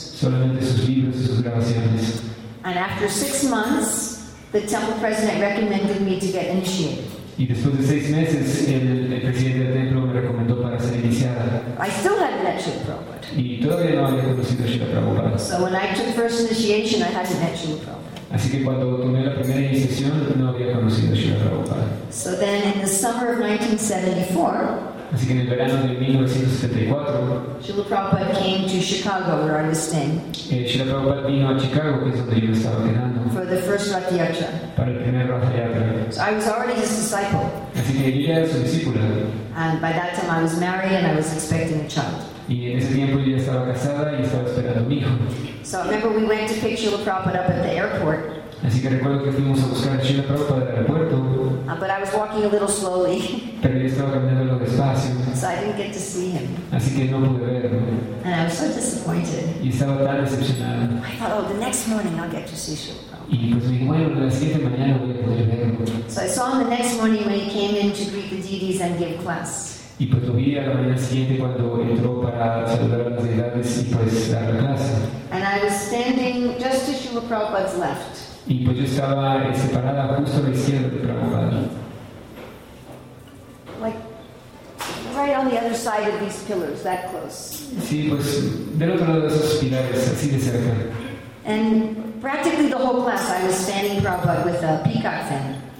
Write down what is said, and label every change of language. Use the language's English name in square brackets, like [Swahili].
[Spanish] Solamente sus libros y sus grabaciones. [English] And after 6 months, the temple president recommended me to get initiated. [Spanish] Y después de 6 meses, el presidente del templo me recomendó para ser iniciada. [English] I still hadn't met Srila Prabhupada. [Spanish] Y todavía no había conocido a Srila Prabhupada. [English] So when I took first initiation, I hadn't met Srila Prabhupada. [Spanish] Así que cuando tomé la primera iniciación, no había conocido a Srila Prabhupada. [English] So then in the summer of 1974, [Spanish] así que en el verano de 1974, [English] Srila Prabhupada came to Chicago, where I was staying. [Spanish] Srila Prabhupada vino a Chicago, que es donde yo estaba quedando. [English] For the first Rath Yatra. [Spanish] Para el primer Rath Yatra. [English] So I was already his disciple. [Spanish] Así que yo ya era su discípula. [English] And by that time I was married and I was expecting a child. [Spanish] Y en ese tiempo yo ya estaba casada y estaba esperando a mi hijo. [English] So remember we went to pick Srila Prabhupada up at the airport. [Spanish] Así que recuerdo que fuimos a buscar a Srila Prabhupada del aeropuerto. [English] But I was walking a little slowly. [Spanish] Pero yo estaba caminando algo despacio. [English] So I didn't get to see him. [Spanish] Así que no pude verlo. [English] And I was so disappointed. [Spanish] Y estaba tan decepcionado. [English] I thought, oh, the next morning I'll get to see Srila Prabhupada. [Spanish] Y pues me dije, bueno, la siguiente mañana voy a poder verlo. [English] So I saw him the next morning when he came in to greet the deities and give class. [Spanish] Y pues lo vi a la mañana siguiente cuando entró para saludar a las deidades y pues dar la clase. [English] And I was standing just to Srila Prabhupada's left. [Spanish] Y pues yo estaba separada justo a la izquierda de Prabhupada. [English] Like, right on the other side of these pillars, that close. [Spanish] Sí, pues del otro lado de esos pilares, así de cerca. [English] And practically the whole class I was standing Prabhupada with a peacock fan.